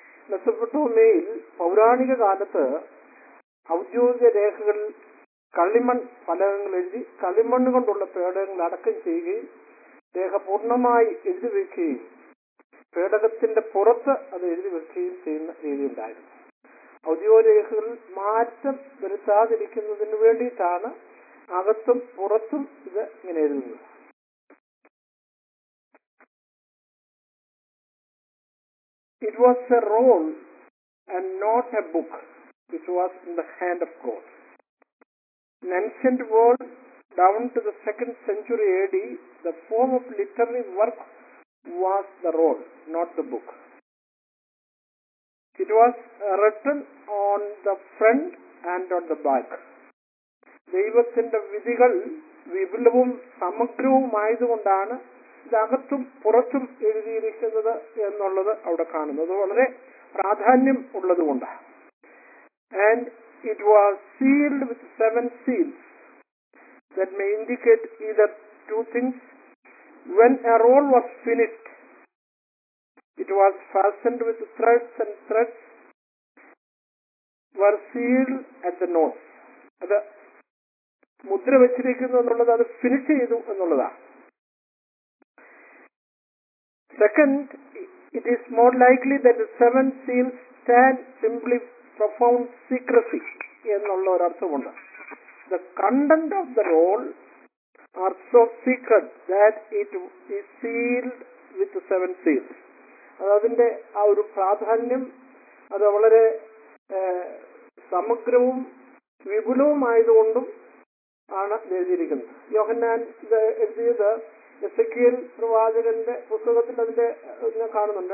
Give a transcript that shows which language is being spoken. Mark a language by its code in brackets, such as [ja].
[ml] മെസൊപ്പൊട്ടേമിയയിൽ പൗരാണിക കാലത്ത് ഔദ്യോഗിക രേഖകളിൽ കളിമൺ ഫലകങ്ങൾ എഴുതി കളിമണ്ണ് കൊണ്ടുള്ള പേടകങ്ങൾ അടക്കം ചെയ്യുകയും രേഖ പൂർണ്ണമായി എഴുതി വെക്കുകയും പേടകത്തിന്റെ പുറത്ത് അത് എഴുതി വെക്കുകയും ചെയ്യുന്ന രീതിയുണ്ടായിരുന്നു. ഔദ്യോഗിക രേഖകളിൽ മാറ്റം വരുത്താതിരിക്കുന്നതിന് വേണ്ടിയിട്ടാണ് അകത്തും പുറത്തും ഇത് ഇങ്ങനെ എഴുതുന്നത്. [en] It was a roll and not a book which was in the hand of God. In ancient world, down to the 2nd century AD, the form of literary work was the role, not the book. It was written on the front and on the back. [ml] ദൈവത്തിന്റെ വിധികൾ വിപുലവും സമഗ്രവും ആയതുകൊണ്ടാണ് ഇതകത്തും പുറത്തും എഴുതിയിരിക്കുന്നത് എന്നുള്ളത് അവിടെ കാണുന്നത്. വളരെ പ്രാധാന്യം ഉള്ളതുകൊണ്ടാണ്. [en] And it was sealed with seven seals that may indicate either two things. When a roll was finished, it was fastened with threads and threads were sealed at the nose. [ml] അത് മുദ്ര വെച്ചിരിക്കുന്നു എന്നുള്ളത് അത് ഫിനിഷ് ചെയ്തു എന്നുള്ളതാണ്. [en] Second, it is more likely that the seven seals stand simply profound secrecy [ml] എന്നുള്ള ഒരു അർത്ഥമുണ്ട്. [en] The content of the roll are so secret that it is sealed with the seven seals. [ml] അതിന്റെ ആ ഒരു പ്രാധാന്യം അത് വളരെ സമഗ്രവും വിപുലവുമായതുകൊണ്ടും ആണ് എഴുതിയിരിക്കുന്നത്. യോഹന്നാൻ ഇത് എഴുതിയത് എസക്കിയൽ പ്രവാചകന്റെ പുസ്തകത്തിൽ അതിന്റെ ഞാൻ കാണുന്നുണ്ട്.